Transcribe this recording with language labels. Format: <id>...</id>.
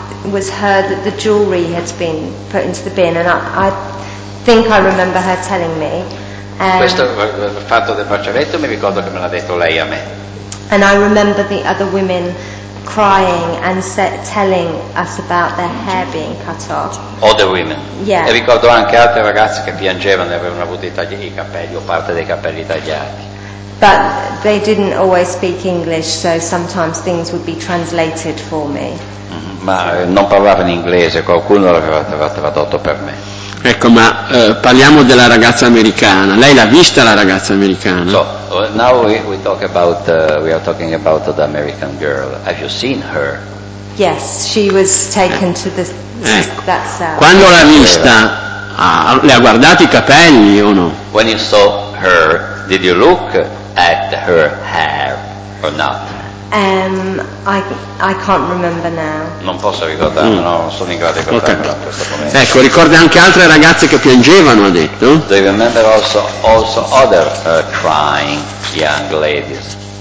<en>Was her that the jewelry had been put into the bin, and I think I remember her telling me.</en> <it>Questo fatto del braccialetto mi ricordo che me l'ha detto lei a me.</it> <en>And I remember the other women crying and telling us about their hair being cut off. Other women. Yeah.</en> <it>E ricordo anche altre ragazze che piangevano e avevano avuto i capelli o parte dei capelli tagliati.</it> <en>But they didn't always speak English, so sometimes things would be translated for me.</en> <it>Ma non parlava in inglese, qualcuno l'aveva tradotto per me. Ecco, ma parliamo della ragazza americana. Lei l'ha vista la ragazza americana?</it> <en>So, now we talk about we are talking about the American girl. Have you seen her? Yes, she was taken to the that cell.</en> <it>Quando l'ha vista, le ha guardati i capelli o no?</it> <en>When you saw her, did you look at her hair or not? I can't remember now.</en> <it>Non posso ricordare, no, non sono in grado di ricordarmi, okay, a questo momento. Ecco, ricorda anche altre ragazze che piangevano, ha detto.</it> <en>Do you remember also other crying young ladies?</en>